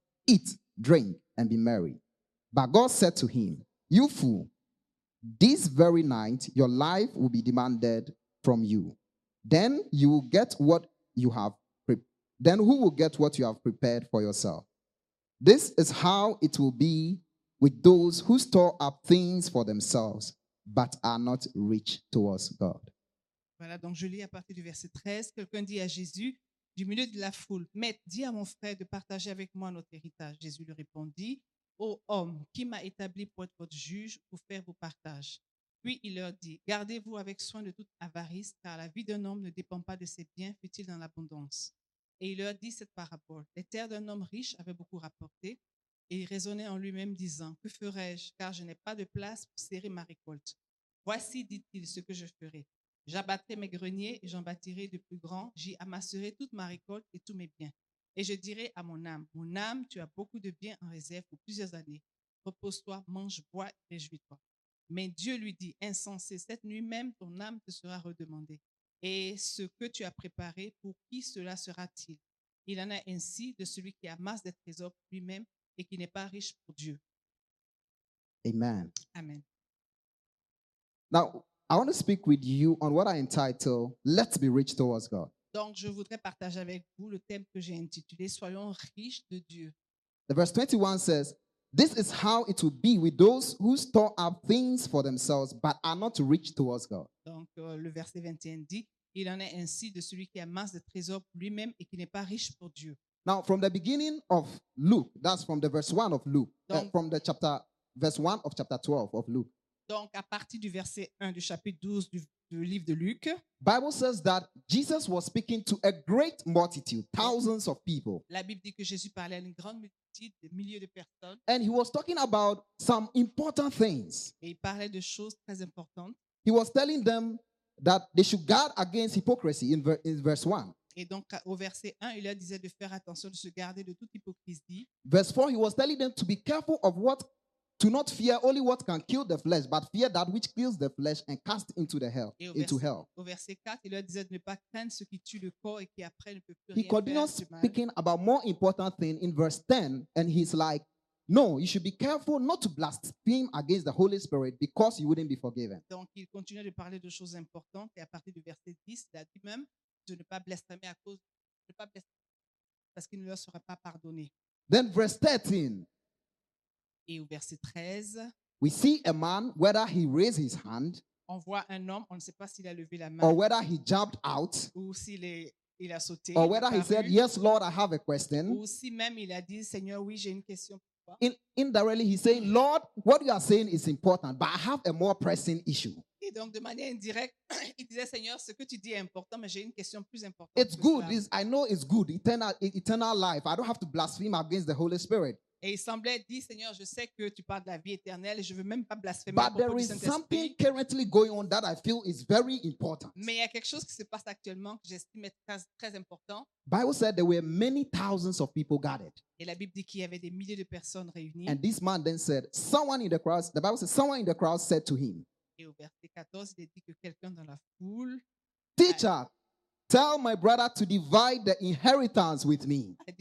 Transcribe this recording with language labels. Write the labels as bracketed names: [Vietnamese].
[English] Eat, drink, and be merry. But God said to him, You fool, this very night your life will be demanded from you. Then you will get what you have. Then who will get what you have prepared for yourself? This is how it will be with those who store up things for themselves but are not rich towards God. [French] Voilà, donc je lis à partir du verset 13. Quelqu'un dit à Jésus, du milieu de la foule, « Maître, dis à mon frère de partager avec moi notre héritage. » Jésus lui répondit, « Ô homme, qui m'a établi pour être votre juge pour faire vos partages ?» Puis il leur dit, « Gardez-vous avec soin de toute avarice, car la vie d'un homme ne dépend pas de ses biens, fut-il dans l'abondance. » Et il leur dit cette parabole. Les terres d'un homme riche avaient beaucoup rapporté, et il raisonnait en lui-même, disant, « Que ferai-je, car je n'ai pas de place pour serrer ma récolte ? Voici, dit-il, ce que je ferai. J'abattrai mes greniers et j'en bâtirai de plus grands. J'y amasserai toute ma récolte et tous mes biens. Et je dirai à mon âme, tu as beaucoup de biens en réserve pour plusieurs années. Repose-toi, mange, bois, réjouis-toi. » Mais Dieu lui dit, « Insensé, cette nuit même, ton âme te sera redemandée. Et ce que tu as préparé, pour qui cela sera-t-il? Il en est ainsi de celui qui amasse des trésors lui-même et qui n'est pas riche pour Dieu. Amen. Amen. [English] Now, I want to speak with you on what I entitled, Let's Be Rich Towards God. [French] Donc, je voudrais partager avec vous le thème que j'ai intitulé Soyons riches de Dieu. [English] The verse 21 says, This is how it will be with those who store up things for themselves but are not rich towards God. [French] Donc, le verset 21 dit, Il en est ainsi de celui qui amasse des trésors pour lui-même et qui n'est pas riche pour Dieu. [English] Now, from the beginning of Luke, that's from the verse 1 of Luke, donc, from the chapter, verse 1 of chapter 12 of Luke. [French] Donc, à partir du verset 1 du chapitre 12 du livre de Luc, [English] Bible says that Jesus was speaking to a great multitude, thousands of people. [French] La Bible dit que Jésus parlait à une grande multitude, des milliers de personnes. [English] And he was talking about some important things. [French] Et il parlait de choses très importantes. [English] He was telling them that they should guard against hypocrisy in verse 1. [French] Et donc au verset 1, il leur disait de faire attention, de se garder de toute hypocrisie. [English] Verse 4, he was telling them to be careful of what to not fear only what can kill the flesh, but fear that which kills the flesh and cast into the hell, into hell. [French] Au verset 4, il leur disait de ne pas craindre ce qui tue le corps et qui après ne peut plus rien [English] faire. He continued speaking about more important thing in verse 10, and he's like, no, you should be careful not to blaspheme against the Holy Spirit because you wouldn't be forgiven. [French] Donc il continuait de parler de choses importantes et à partir du verset 10, il a dit même de ne pas blasphémer à cause de pas blasphémer parce qu'il ne leur serait pas pardonné. [English] Then verse 13. [French] Et au verset 13, [English] we see a man whether he raised his hand, [French] on voit un homme, on ne sait pas s'il a levé la main, [English] or whether he jumped out, [French] ou s'il est, il a sauté, [English] or whether he said, "Yes, Lord, I have a question," [French] ou si même il a dit, "Seigneur, oui, j'ai une question." [English] Indirectly, he's saying, "Lord, what you are saying is important, but I have a more pressing issue." [French] Et donc de manière indirecte, il disait, Seigneur, ce que tu dis est important, mais j'ai une question plus importante. [English] It's good. I know it's good. Eternal life. I don't have to blaspheme against the Holy Spirit. [French] Et il semblait dire, Seigneur, je sais que tu parles de la vie éternelle et je ne veux même pas blasphémer. [English] But there is something currently going on that I feel is very important. [French] Mais il y a quelque chose qui se passe actuellement que j'estime être très, très important. [English] Bible said there were many thousands of people gathered. [French] Et la Bible dit qu'il y avait des milliers de personnes réunies. [English] And this man then said, someone in the crowd said to him. [French] Et au verset 14, il est dit que quelqu'un dans la foule. [English] Teacher. Tell my brother to divide the inheritance with me.